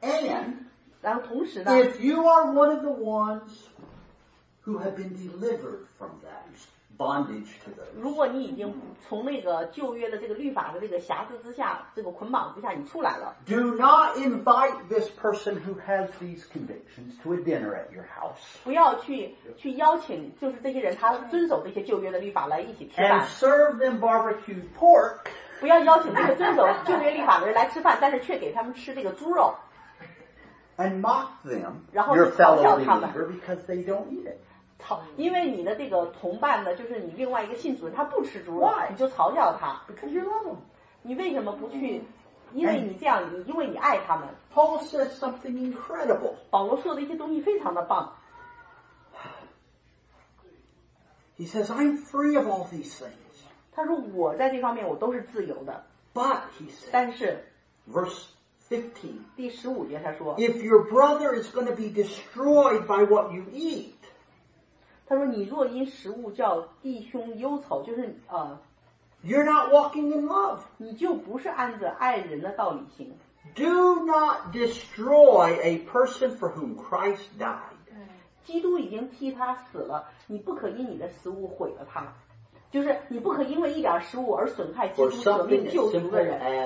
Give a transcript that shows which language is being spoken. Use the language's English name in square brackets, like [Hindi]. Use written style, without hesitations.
[English] And [Chinese] 然后同时呢 [English] ，If you are one of the ones who have been delivered from that bondage to those, [Chinese] 如果你已经从那个旧约的这个律法的这个辖制之下，这个捆绑之下，你出来了。 [English] Do not invite this person who has these convictions to a dinner at your house. [Chinese] 不要去邀请，就是这些人他遵守这些旧约的律法来一起吃饭。 [English] And serve them barbecued pork. [Chinese] 不要邀请这个遵守旧约律法的人来吃饭，但是却给他们吃这个猪肉。 [English] And mock them, [Chinese] 然后就嘲笑他们 [English] because they don't eat it. [Chinese] 因为你的这个同伴呢，就是你另外一个信主人，他不吃猪肉，你就嘲笑他。 [English] Because you love them. [Chinese] 你为什么不去？因为你这样，因为你爱他们。 [English] Paul says something incredible. [Chinese] 保罗说的一些东西非常的棒。 [English] He says, I'm free of all these things. [Chinese] 他说我在这方面我都是自由的。 [English] But, he says, verse 15, [Chinese] 第十五节他说, [English] if your brother is going to be destroyed by what you eat, [Chinese] 他说你若因食物叫弟兄忧愁就是、 [English] you're not walking in love. [Chinese] 你就不是按着爱人的道理行。 [English] Do not destroy a person for whom Christ died. [Chinese] 基督已经替他死了，你不可因你的食物毁了他。就是你不可因为一点食物而损害基督舍命救赎的人。